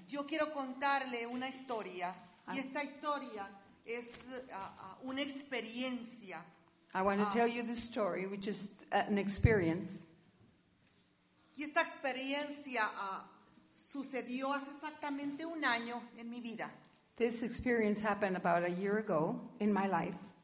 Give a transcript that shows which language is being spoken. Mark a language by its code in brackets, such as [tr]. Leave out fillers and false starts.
[es] Yo quiero contarle una historia, y esta historia es una experiencia. [en] I want to tell you the story, which is an experience. [es] Y esta experiencia sucedió hace exactamente un año en mi vida. [en] This experience happened about a year ago in my life.